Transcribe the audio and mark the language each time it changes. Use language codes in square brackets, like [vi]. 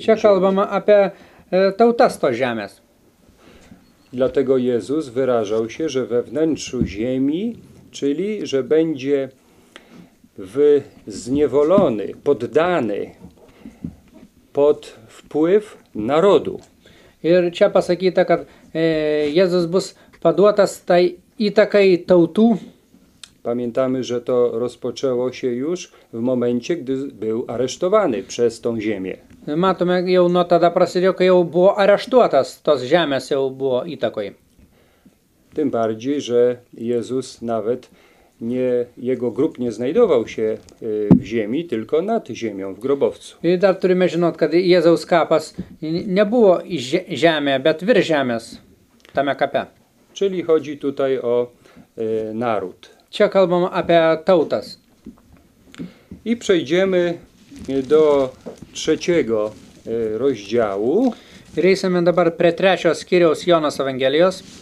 [lt] Čia kalbama apie tautas tos žemės. [pl] Dlatego Jėzus wyrażał się, że we wnętrzu ziemi, czyli, że będzie w zniewolony, poddany pod wpływ narodu. [lt] Ir čia pasakyta, kad Jėzus bus paduotas tai įtakai tautų. [pl] Pamiętamy, że to rozpoczęło się już w momencie, gdy był aresztowany przez tą ziemię. [lt] Matome, jau nuo tada prasidėjo, kai jau buvo areštuotas, tos žemės jau buvo įtakoj. [pl] Tym bardziej, że Jėzus nawet nie, jego grób nie znajdował się w ziemi, tylko nad ziemią, w grobowcu. [lt] I dar turime žinot, kad Jėzaus kapas [pl] nie [lt] buvo žemė, bet virš žemės tame kape. [pl] Czyli chodzi tutaj o naród. [lt] Čia kalbam apie tautas. [pl] I przejdziemy do trzeciego rozdziału. [lt] Ir eisime dabar prie trečio skyriaus Jonos Evangelijos,